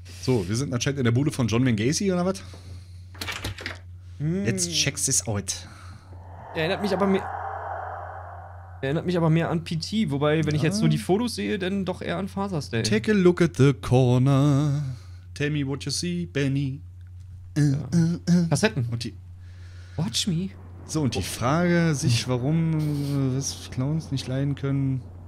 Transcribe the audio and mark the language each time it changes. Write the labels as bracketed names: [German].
[German] So, wir sind anscheinend in der Bude von John Wayne Gacy oder was? [English] Let's check this out. [German] Erinnert mich aber mehr an PT, wobei, wenn ich jetzt nur die Fotos sehe, dann doch eher an Father's Day. [English] Take a look at the corner. Tell me what you see, Benny. [German] Ja. Kassetten. Und die. [English] Watch me. [German] So, und die Frage sich, warum das Clowns nicht leiden können.